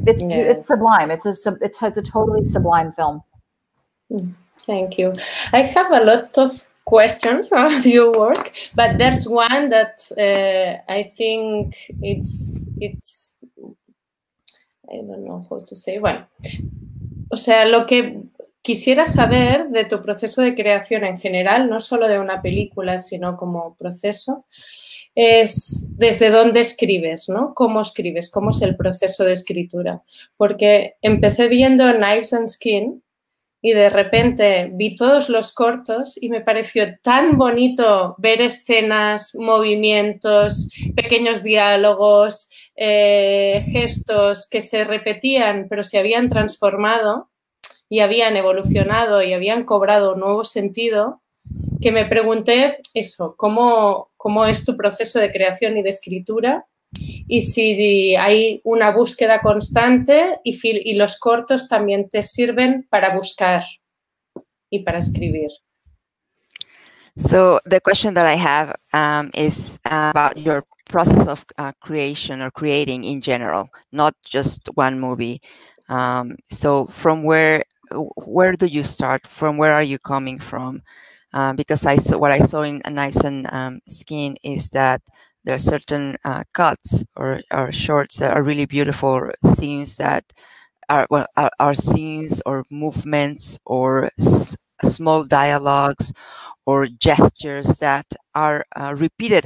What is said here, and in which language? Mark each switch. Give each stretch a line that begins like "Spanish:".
English: It's sublime. It's a totally sublime film. Thank you. I have a lot of questions of your work, but there's one that I think it's I don't know how to say.
Spanish: Bueno, o sea, lo que quisiera saber de tu proceso de creación en general, no solo de una película, sino como proceso, es desde dónde escribes, ¿no? ¿Cómo escribes? ¿Cómo es el proceso de escritura? Porque empecé viendo Knives and Skin y de repente vi todos los cortos y me pareció tan bonito ver escenas, movimientos, pequeños diálogos, gestos que se repetían, pero se habían transformado y habían evolucionado y habían cobrado un nuevo sentido, que me pregunté eso, ¿cómo es tu proceso de creación y de escritura? Y si hay una búsqueda constante y los cortos también te sirven para buscar y para escribir.
English: So the question that I have is about your process of creation or creating in general, not just one movie. So from where do you start? From where are you coming from? Because I saw what I saw in Knives and Skin is that there are certain cuts or shorts that are really beautiful scenes that are, well, are scenes or movements or small dialogues or gestures that are repeated.